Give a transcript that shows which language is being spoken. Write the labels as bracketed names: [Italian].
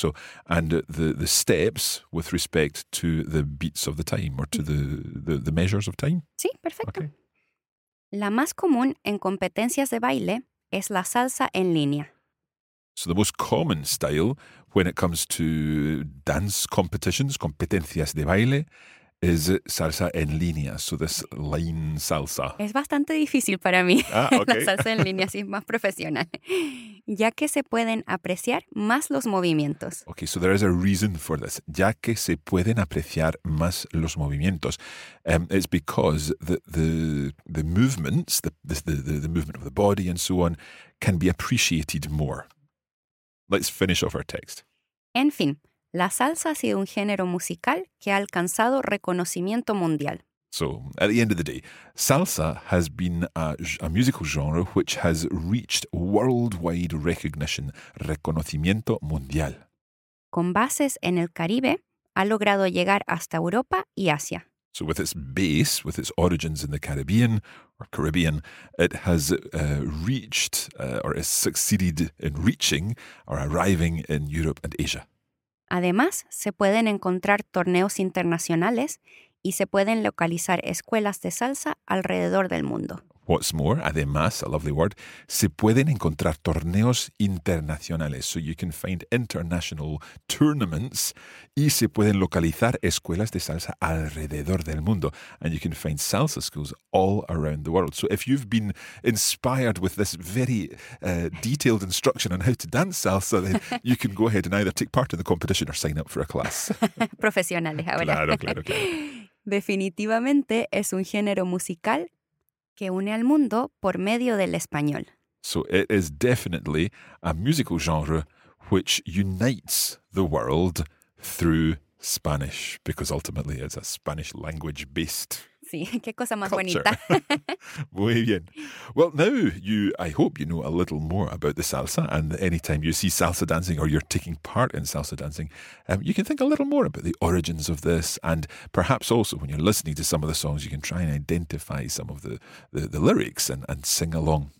[English] So, and the steps with respect to the beats of the time, or to the measures of time. [Spanish] Sí, perfecto. Okay. La más común en competencias de baile es la salsa en línea. [English] So the most common style when it comes to dance competitions, [Spanish] competencias de baile, [English] is salsa en línea. So this line salsa. [Spanish] Es bastante difícil para mí. [English] Ah, okay. [Spanish] La salsa en línea sí es más profesional, ya que se pueden apreciar más los movimientos. [English] Okay, so there is a reason for this. [Spanish] Ya que se pueden apreciar más los movimientos. [English] It's because the movements, the movement of the body and so on, can be appreciated more. Let's finish off our text. [Spanish] En fin, la salsa ha sido un género musical que ha alcanzado reconocimiento mundial. [English] So, at the end of the day, salsa has been a musical genre which has reached worldwide recognition, [Spanish] reconocimiento mundial. Con bases en el Caribe, ha logrado llegar hasta Europa y Asia. [English] So, with its base, with its origins in the Caribbean, or Caribbean, it has reached, or has succeeded in reaching, or arriving in Europe and Asia. [Spanish] Además, se pueden encontrar torneos internacionales y se pueden localizar escuelas de salsa alrededor del mundo. [English] What's more, [Spanish] además, [English] a lovely word, [Spanish] se pueden encontrar torneos internacionales. [English] So you can find international tournaments [Spanish] y se pueden localizar escuelas de salsa alrededor del mundo. [English] And you can find salsa schools all around the world. So if you've been inspired with this very detailed instruction on how to dance salsa, then you can go ahead and either take part in the competition or sign up for a class. [Spanish] Profesionales ahora. Claro, claro, claro. Definitivamente es un género musical que une al mundo por medio del español. [English] So it is definitely a musical genre which unites the world through Spanish, because ultimately it's a Spanish language based. [Spanish] Sí, qué cosa más [English] culture. [Spanish] Bonita. Muy bien. [English] Well, now you, I hope you know a little more about the salsa, and anytime you see salsa dancing or you're taking part in salsa dancing, you can think a little more about the origins of this, and perhaps also when you're listening to some of the songs, you can try and identify some of the lyrics and sing along.